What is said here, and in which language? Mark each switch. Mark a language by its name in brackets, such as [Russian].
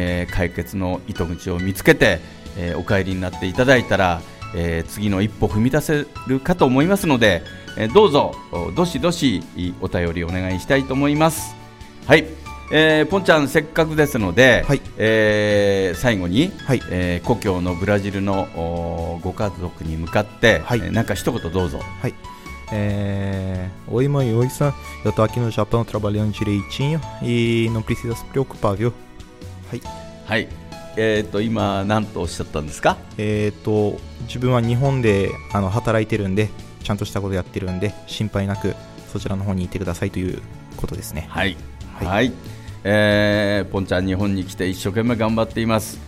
[Japanese] 解決の糸口を見つけて、お帰りになっていただいたら、次の一歩踏み出せるかと思いますので、どうぞどしどしお便りお願いしたいと思います。はい、ポンちゃんせっかくですので、はい、最後に、はい、故郷のブラジルのご家族に向かって、はい、なんか一言どうぞ。はい、 [Portuguese] Oi mãe, oi san, eu tô aqui no Japão trabalhando direitinho e não precisa se preocupar, viu? [Japanese] はい、はい、今何とおっしゃったんですか？自分は日本で働いてるんで、ちゃんとしたことやってるんで、心配なくそちらの方にいてくださいということですね。はい、はい、はい、ポンちゃん日本に来て一生懸命頑張っています。